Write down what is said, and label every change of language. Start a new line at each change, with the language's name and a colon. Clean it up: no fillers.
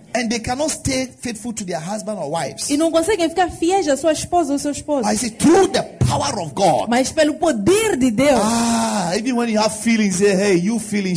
English: And they cannot stay faithful to their husband or wives.
Portuguese: E não conseguem ficar fiéis à sua esposa ou seu esposo.
English: I say through the power of God.
Portuguese: Mas pelo poder de Deus.
English: Ah, even when you have feelings, say, hey, you feeling?